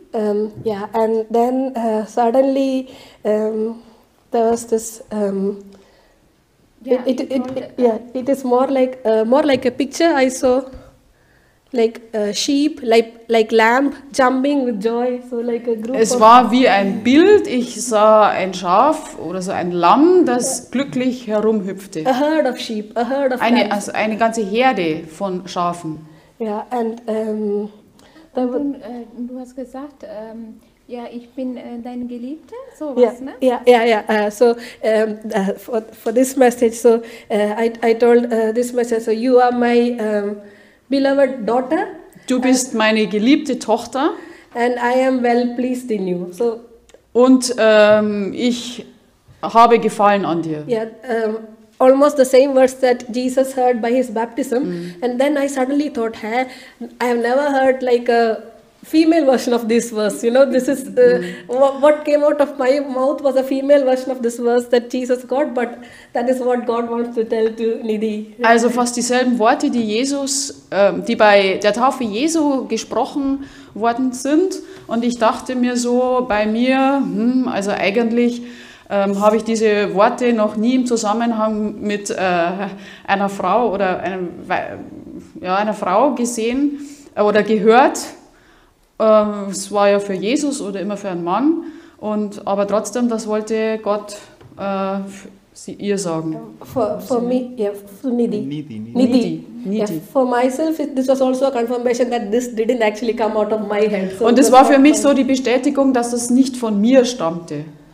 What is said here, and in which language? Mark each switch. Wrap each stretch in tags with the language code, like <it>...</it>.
<en>And then suddenly there was this it is more like a picture I saw, like a sheep, like lamb jumping with joy, so like a group.</en> <de>Es war wie ein Bild. Ich sah ein Schaf oder so ein Lamm, das glücklich herumhüpfte.</de> <en>A herd of sheep, a herd of lambs.</en> <de>Eine ganze Herde von Schafen.</de> <en>Yeah, and</en> <de>du hast gesagt, ich bin dein Geliebte, so was, yeah, ne?</de> <en>Yeah. So for this message, so I told this message, so you are my beloved daughter.</en> <de>Du bist meine geliebte Tochter.</de> <en>And I am well pleased in you. So.</en> <de>Und ich habe Gefallen an dir.</de> <en>Yeah, almost the same words that Jesus heard by his baptism. Mm. And then I suddenly thought, hey, I have never heard like a female version of this verse. You know, this is what came out of my mouth was a female version of this verse that Jesus got, but that is what God wants to tell to Nidhi.</en> <de>Also fast dieselben Worte, die Jesus, die bei der Taufe Jesu gesprochen worden sind. Und ich dachte mir so bei mir, also eigentlich habe ich diese Worte noch nie im Zusammenhang mit einer Frau oder einer Frau gesehen oder gehört. Es war ja für Jesus oder immer für einen Mann, und aber trotzdem, das wollte Gott sie ihr sagen.</de> <en>For me, Nidhi. For myself, this was also a confirmation that this didn't actually come out of my head.</en> <de>So und es war für mich so die Bestätigung, dass es nicht von mir stammte.</de>